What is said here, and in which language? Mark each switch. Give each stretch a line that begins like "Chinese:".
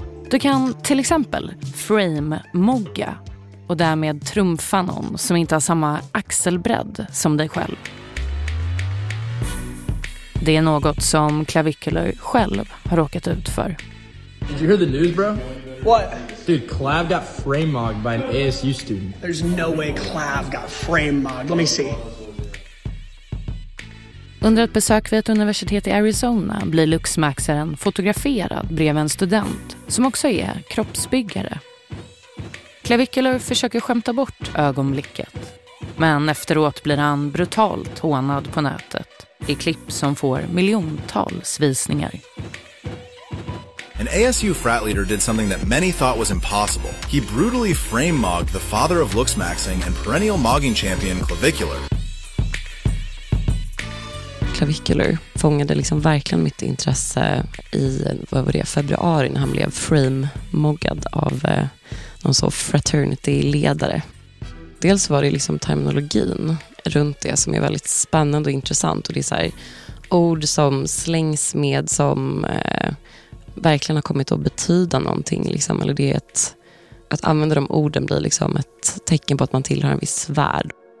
Swedish: Du kan till exempel frame-mogga och därmed trumfa någon som inte har samma axelbredd som dig själv. Det är något som Klavikulor själv har råkat ut för.
English: Did you hear the news, bro? What? Dude, Clav got frame-mogged by an ASU student. There's no way Clav got frame-mogged. Let me see.
Swedish: Under ett besök vid ett universitet i Arizona blir luxmaxaren fotograferad bredvid en student som också är kroppsbyggare. Klavikulor försöker skämta bort ögonblicket. Men efteråt blir han brutalt hånad på nätet i klipp som får miljontals visningar.
English: an ASU frat leader did something that many thought was impossible. He brutally frame-mogged the father of looks maxing and perennial mogging champion, Clavicular.
Swedish: Clavicular fångade liksom verkligen mitt intresse i, vad var det, februari när han blev frame-moggad av någon så fraternity-ledare. Dels var det liksom terminologin runt det som är väldigt spännande och intressant, och det är så här ord som slängs med som verkligen har kommit att betyda någonting liksom, eller det är ett, att använda de orden blir liksom ett tecken på att man tillhör en viss värld.